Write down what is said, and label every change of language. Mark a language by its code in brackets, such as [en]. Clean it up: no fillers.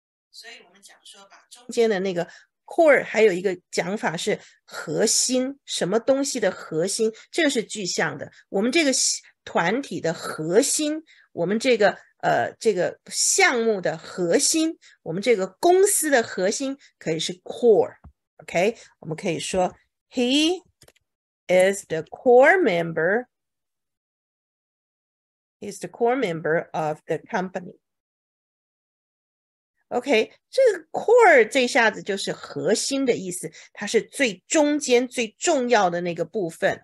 [zh] 所以我们讲说，把中间的那个 core， 还有一个讲法是核心，什么东西的核心，这个是具象的。我们这个团体的核心，我们这个项目的核心，我们这个公司的核心可以是 core。 [en] OK， [zh] 我们可以说 [en] He is the core member He's the core member of the company。 [zh] OK， 这个 core 这下子就是核心的意思，它是最中间最重要的那个部分。